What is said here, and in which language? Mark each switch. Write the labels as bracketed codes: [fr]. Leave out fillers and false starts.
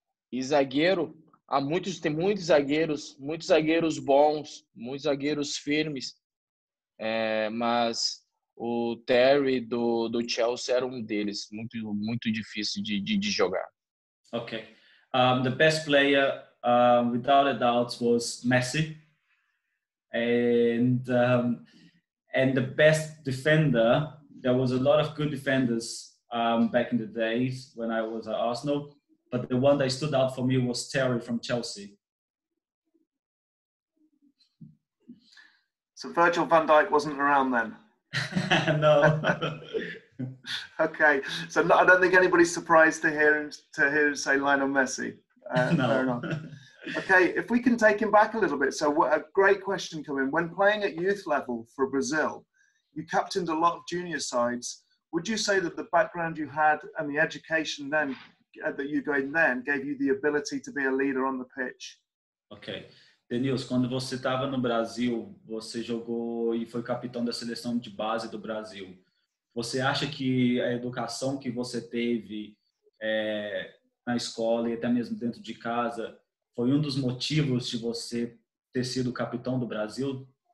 [pt] E zagueiro, tem muitos zagueiros bons, muitos zagueiros firmes, mas o Terry do Chelsea era um deles, muito, muito difícil de jogar. [en] Ok. The best player, without a doubt, was Messi. And the best defender, there was a lot of good defenders back in the days when I was at Arsenal. But the one that stood out for me was Terry from Chelsea. So Virgil van Dijk wasn't around then? No. Okay, so I don't think anybody's surprised to hear say Lionel Messi. No. Fair enough. Okay, if we can take him back a little bit. So a great question coming. When playing at youth level for Brazil, you captained a lot of junior sides. Would you say that the background you had and the education then that you gained then gave you the ability to be a leader on the pitch? Okay. [pt] Denilson, quando você estava no Brasil, você jogou e foi capitão da seleção de base do Brasil. Você acha que a educação que você teve na escola e até mesmo dentro de casa foi um dos motivos de você ter sido capitão do Brasil?